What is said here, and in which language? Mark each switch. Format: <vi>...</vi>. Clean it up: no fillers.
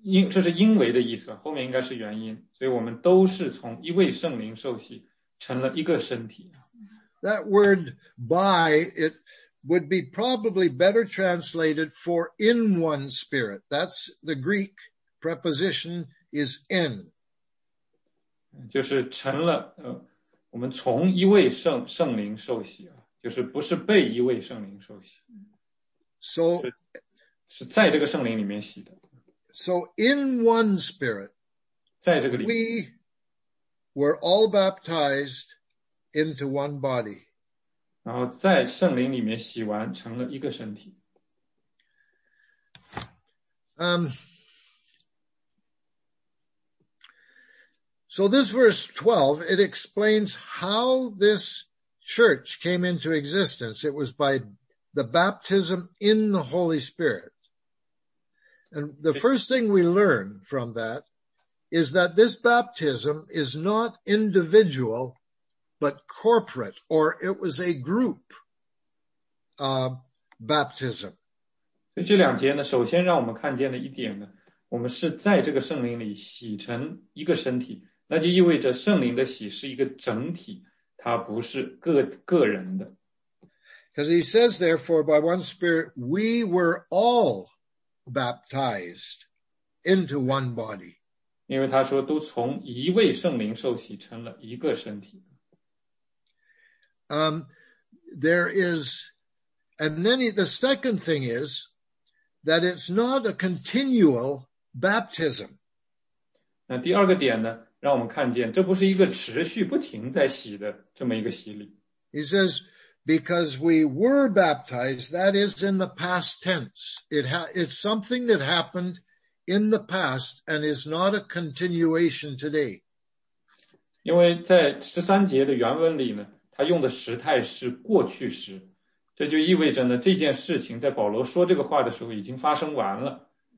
<zh>这是因为的意思，后面应该是原因，所以我们都是从一位圣灵受洗，成了一个身体。</zh> <en>That word by, it would be probably better translated for in one spirit. That's the Greek preposition is in.</en> <zh>就是成了，我们从一位圣灵受洗，就是不是被一位圣灵受洗。</zh> <en>So,</en> <zh>是在这个圣灵里面洗的。</zh> <en>So in one spirit,</en> <zh>在这个里面,</zh> <en>we were all baptized into one body.</en> <zh>然后在圣灵里面洗完成了一个身体。</zh> <en>So this verse 12, it explains how this church came into existence. It was by the baptism in the Holy Spirit. And the first thing we learn from that is that this baptism is not individual, but corporate, or it was a group, baptism.</en> <zh>所以这两节呢，首先让我们看见的一点呢，我们是在这个圣灵里洗成一个身体，那就意味着圣灵的洗是一个整体，它不是个人的。</zh> <en>Because he says, therefore, by one spirit, we were all baptized into one body.</en> <zh>因为他说都从一位圣灵受洗成了一个身体。</zh> <en>The second thing is that it's not a continual baptism.</en> <zh>那第二个点呢，让我们看见这不是一个持续不停在洗的这么一个洗礼。</zh> <en>He says,Because we were baptized, that is in the past tense. It's something that happened in the past and is not a continuation today.</en> <zh>因为在13节的原文里呢，他用的时态是过去时，这就意味着呢，这件事情在保罗说这个话的时候已经发生完了。</zh>